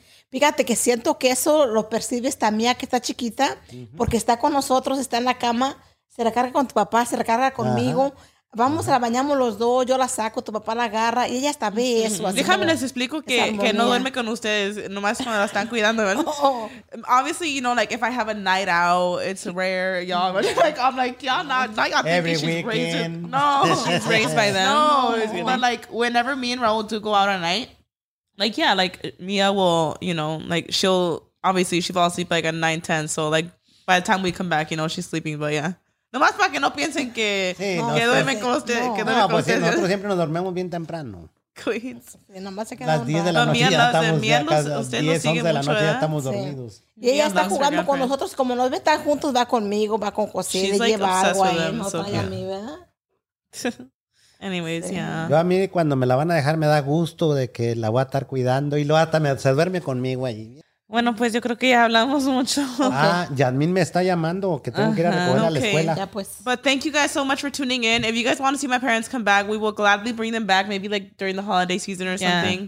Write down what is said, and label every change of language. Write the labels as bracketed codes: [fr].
[es] Fíjate que siento que eso lo percibe esta mía que está chiquita, porque está con nosotros, está en la cama, se recarga con tu papá, se recarga conmigo. Ajá. Vamos, la bañamos los dos, yo la saco, tu papá la agarra y ella hasta ve eso. Déjame les explico que no duerme con ustedes, nomás cuando la están cuidando. [en] Obviously, you know, like if I have a night out, it's rare, y'all. But like, I'm like, y'all not y'all every think weekend. She's raised. No, she's raised by them. No, but like whenever me and Raul do go out at night, like, yeah, like Mia will, you know, like she'll, obviously she falls asleep like at 9:10. So like by the time we come back, you know, she's sleeping, but yeah. [es] Nomás para que no piensen que duerme con ustedes. No, pues nosotros siempre nos dormimos bien temprano. [en] Queens. [es] Nomás se las 10 de la noche ya estamos dormidos. 10, 11 de la noche ya estamos dormidos. Y ella está jugando con nosotros. Como nos ve tan juntos, va conmigo, va con José. Le lleva algo ahí. No trae a mí, ¿verdad? [en] Anyways, yeah. [es] Yo a mí cuando me la van a dejar me da gusto de que la voy a estar cuidando. Y luego hasta se duerme conmigo ahí. Bueno, pues yo creo que ya hablamos mucho. Yasmin me está llamando que tengo que ir a recoger a la escuela. Ya pues. [en] But thank you guys so much for tuning in. If you guys want to see my parents come back, we will gladly bring them back. Maybe like during the holiday season or something.